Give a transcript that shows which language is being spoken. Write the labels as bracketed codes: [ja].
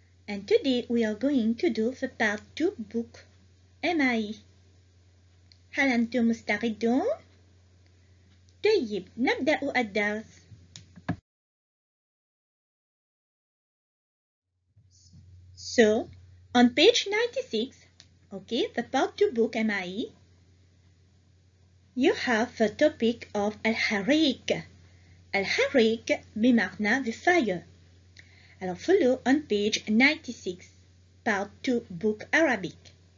[en] And today we are going to do the part 2 book MIE. [ar] هل أنتم مستعدون؟ طيب، نبدأ الدرس. [en] So, on page 96, okay, the part 2 book MIE, you have the topic of الحريق. [ar] الحريق بمعنى [en] the fire. Alors, follow on page 96, part 2 book Arabic.